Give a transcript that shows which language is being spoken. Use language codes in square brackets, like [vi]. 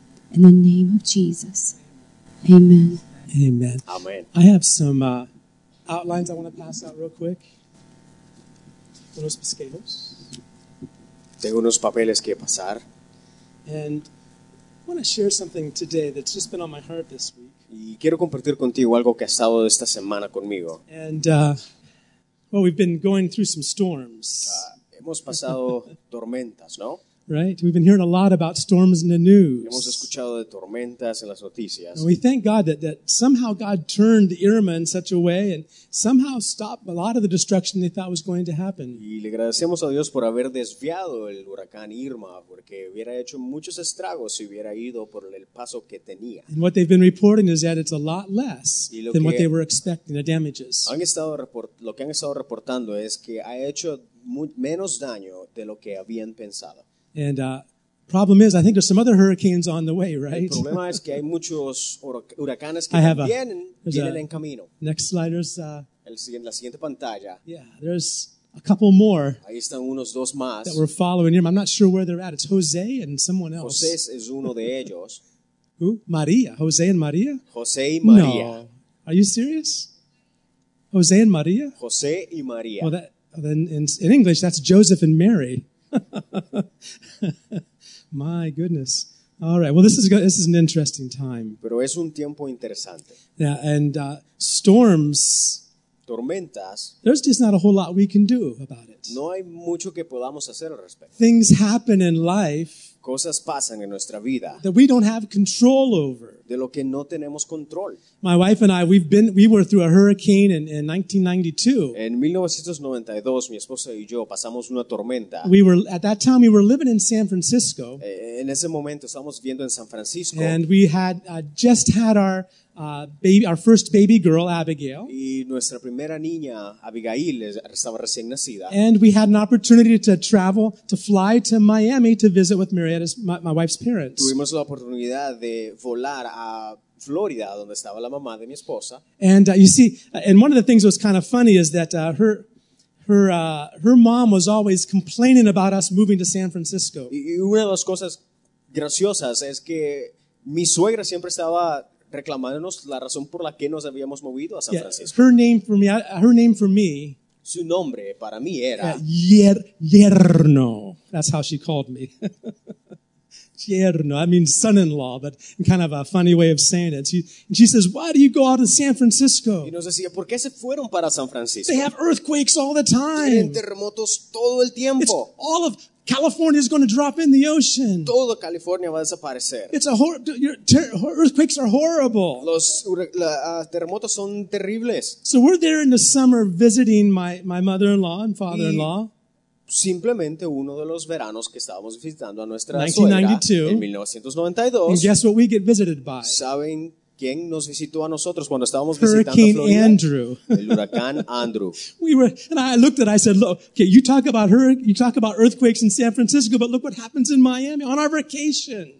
[en] In the name of Jesus. Amen. Amen. Amen. I have some outlines I want to pass out real quick. [es] Unos pasquejos. Tengo unos papeles que pasar. [en] And I want to share something today that's just been on my heart this week. [es] Y quiero compartir contigo algo que ha estado esta semana conmigo. [en] And, well, we've been going through some storms. [es] Hemos pasado tormentas, ¿no? [en] Right? We've been hearing a lot about storms in the news. [es] Hemos escuchado de tormentas en las noticias. [en] And we thank God that somehow God turned Irma in such a way and somehow stopped a lot of the destruction they thought was going to happen. [es] Y le agradecemos a Dios por haber desviado el huracán Irma, porque hubiera hecho muchos estragos si hubiera ido por el paso que tenía. [en] And what they've been reporting is that it's a lot less than what they were expecting, the damages. [es] Lo que han estado reportando es que ha hecho menos daño de lo que habían pensado. [en] And problem is, I think there's some other hurricanes on the way, right? [es] El problema es que hay muchos huracanes que vienen en camino. [en] Next slide, there's [es] la siguiente pantalla. [en] Yeah, there's a couple more. [es] Ahí están unos dos más. [en] That we're following here. I'm not sure where they're at. It's Jose and someone else. [es] José es uno de ellos. [en] Who? María. Jose and María? [es] José y María. [en] No. Are you serious? Jose and María? [es] José y María. [en] Well, then in English, that's Joseph and Mary. My goodness. All right. Well, this is an interesting time. [es] Pero es un tiempo interesante. [en] Yeah, and storms. [es] Tormentas. [en] There's just not a whole lot we can do about it. [es] No hay mucho que podamos hacer al respecto. [en] Things happen in life. [es] Cosas pasan en nuestra vida. [en] That we don't have control over. [es] De lo que no tenemos control. [en] My wife and I, we were through a hurricane in 1992. [es] En 1992, mi esposa y yo pasamos una tormenta. [en] At that time we were living in San Francisco. [es] En ese momento estábamos viviendo en San Francisco. [en] And we had just had our first baby girl, Abigail. [es] Y nuestra primera niña, Abigail, estaba recién nacida. [en] And we had an opportunity to travel, to fly to Miami to visit with Marietta's, my wife's parents. [es] Tuvimos la oportunidad de volar a Florida, donde estaba la mamá de mi esposa. [en] And you see, and one of the things that was kind of funny is that her mom was always complaining about us moving to San Francisco. [es] Y una de las cosas graciosas es que mi suegra siempre estaba reclamándonos la razón por la que nos habíamos movido a San Francisco. [en] Her name for me. [es] Su nombre para mí era [en] Yerno. That's how she called me. Yerno. I mean son-in-law, but kind of a funny way of saying it. She says, "Why do you go out to San Francisco?" [es] Y nos decía, "¿Por qué se fueron para San Francisco?" [en] They have earthquakes all the time. [es] Tienen terremotos todo el tiempo. [en] It's all of California is going to drop in the ocean. [es] Todo California va a desaparecer. [en] It's a earthquakes are horrible. [es] Los terremotos son terribles. [en] So we're there in the summer visiting my mother-in-law and father-in-law. [es] Simplemente uno de los veranos que estábamos visitando a nuestra [en] 1992. [es] Suegra en 1992. [en] And guess what we get visited by? [es] ¿Saben quién nos visitó a nosotros cuando estábamos [en] Hurricane Hurricane Andrew. [es] El huracán Andrew. [en] I said, look, okay, you talk about earthquakes in San Francisco, but look what happens in Miami on our vacation.